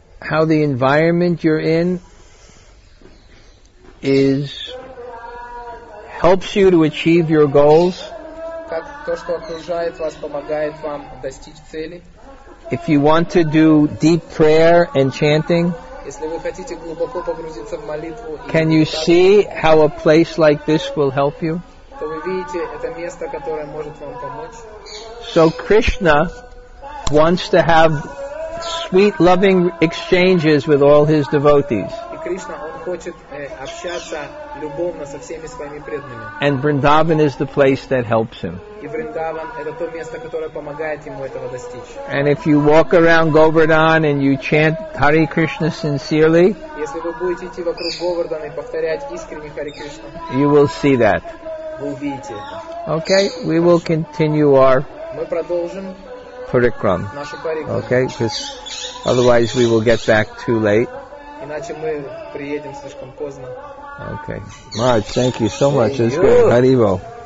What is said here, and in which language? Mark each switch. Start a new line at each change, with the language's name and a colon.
English: How the environment you're in is helps you to achieve your goals.
Russian: Как то, что окружает вас, помогает вам достичь цели.
English: If you want to do deep prayer and chanting,
Russian: если вы хотите глубоко погрузиться в молитву,
English: can you see how a place like this will help you?
Russian: То вы видите это место, которое может вам помочь.
English: So Krishna wants to have sweet, loving exchanges with all his devotees.
Russian: И Кришна, он хочет общаться любовно со всеми своими преданными.
English: And Vrindavan is the place that helps him.
Russian: И Вриндаван это то место, которое помогает ему этого достичь.
English: And if you walk around Govardhan and you chant Hare Krishna sincerely,
Russian: если вы будете идти вокруг Говардхана и повторять искренне Hare Krishna,
English: you will see that.
Russian: Вы увидите это.
English: Okay, we will continue our.
Russian: Мы продолжим.
English: Parikram. Okay, because otherwise we will get back too late.
Russian: Иначе мы приедем слишком поздно.
English: Okay. Marge, thank you so much. It's good. Haribo.